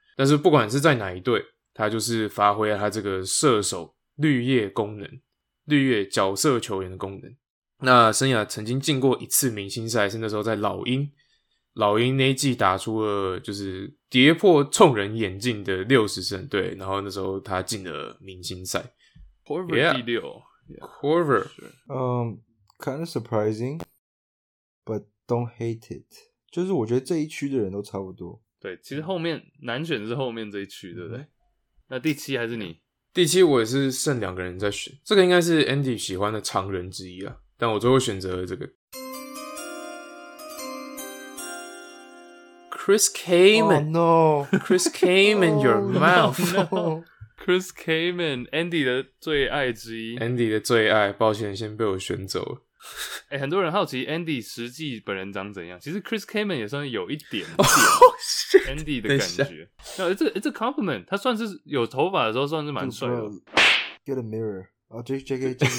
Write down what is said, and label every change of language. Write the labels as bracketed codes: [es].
[zh] 但是不管是在哪一队，他就是发挥了他这个射手绿叶功能，绿叶角色球员的功能。那生涯曾经进过一次明星赛，是那时候在老鹰。老鹰那一季打出了就是跌破众人眼镜的60胜，对，然后那时候他进了明星赛。 [en] Korver、 yeah, [zh] 第六。 [en] Yeah, Korver. Kind of surprising, but don't hate it. [zh] 就是我觉得这一区的人都差不多。对，其实后面难选是后面这一区，对不对？那第七还是你？第七我也是剩两个人在选，这个应该是 Andy 喜欢的常人之一啊，但我最后选择了这个。 [en] Chris Kamen,、 oh, no. Chris Kamen, your mouth.、 Oh, no. [zh] Chris Kamen, Andy 的最爱之一。 Andy 的最爱，抱歉，先被我选走了。哎、欸，很多人好奇 Andy 实际本人长怎样。其实 Chris Kamen 也算有一点点 Andy 的感觉。那、 oh, 这 compliment, 他算是有头发的时候算是蛮帅的。 [en] Get a mirror. Oh, JK.